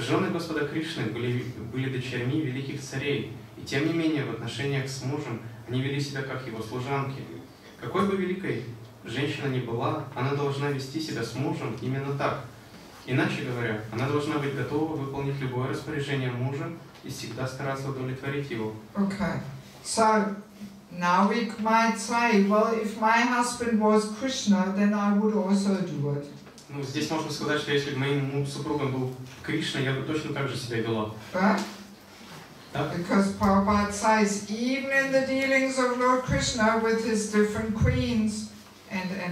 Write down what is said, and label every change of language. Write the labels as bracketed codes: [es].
[ru] Жены Господа Кришны были дочерьми великих царей, и тем не менее в отношениях с мужем они вели себя как его служанки. Какой бы великой женщина ни была, она должна вести себя с мужем именно так. Иначе говоря, она должна быть готова выполнить любое распоряжение мужа и всегда стараться удовлетворить его. [en] Okay. So now we might say, well, if my husband was Krishna, then I would also do it. [ru] Ну, здесь можно сказать, что если бы моим супругом был Кришна, я бы точно так же себя вела. Так? [en] Because Prabhupada says, even in the dealings of Lord Krishna with his different queens, and.